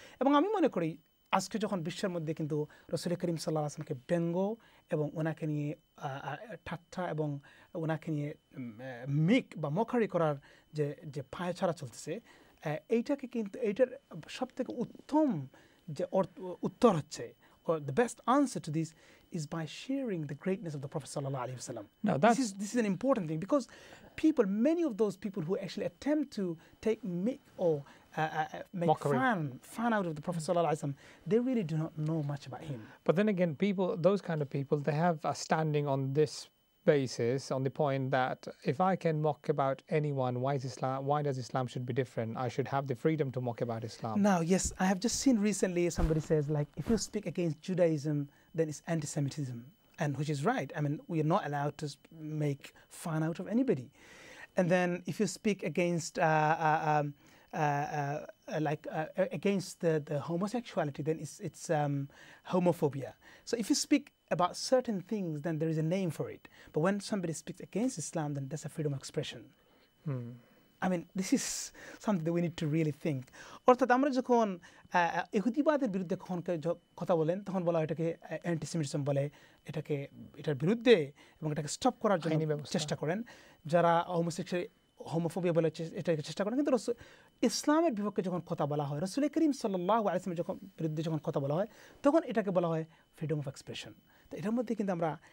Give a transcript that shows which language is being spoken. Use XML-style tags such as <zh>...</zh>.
<bn>এবং আমি মনে করি আজকে যখন বিশ্বের মধ্যে কিন্তু রসুল করিম সাল্লাল্লাহু আলাইহি ওয়াসাল্লামকে ব্যঙ্গ এবং ওনাকে নিয়ে ঠাট্টা এবং ওনাকে নিয়ে মিক বা মোখারি করার যে পায়ছাড়া চলতেছে, এইটাকে কিন্তু এইটার সবথেকে উত্তম যে উত্তর হচ্ছে,</bn> <en>the best answer to this is by sharing the greatness of the prophet</en> <bn>সাল্লাল্লাহু আলাইহি ওয়াসাল্লাম।</bn> <en>Now that's this is an important thing, because people, many of those people who actually attempt to take mick or make fun out of the Prophet sallallahu alaihi wasallam, they really do not know much about him. But then again, people, those kind of people, they have a standing on this basis, on the point that if I can mock about anyone, why does Islam should be different? I should have the freedom to mock about Islam. Now, yes, I have just seen recently somebody says, like, if you speak against Judaism, then it's anti-Semitism, and which is right. I mean, we are not allowed to make fun out of anybody. And then if you speak against against the homosexuality, then it's homophobia. So if you speak about certain things, then there is a name for it. But when somebody speaks against Islam, then that's a freedom of expression. I mean, this is something that we need to really think.</en> <bn>অর্থাৎ আমরা যখন ইহুদিবাদের বিরুদ্ধে কখন কথা বলেন, তখন বলা হয় এটাকে অ্যান্টিসেমিটিজম বলে, এটাকে এটার বিরুদ্ধে এবং এটাকে স্টপ করার জন্য চেষ্টা করেন। যারা হোমোফোবিয়া বলে এটাকে চেষ্টা করেন, কিন্তু ইসলামের বিপক্ষে যখন কথা বলা হয়, রসুল করিম সাল্লাল্লাহু আলাইহি ওয়া সাল্লামের যখন বিরুদ্ধে যখন কথা বলা হয়, তখন এটাকে বলা হয় ফ্রিডম অফ এক্সপ্রেশন। তো এটার মধ্যে কিন্তু আমরা</bn>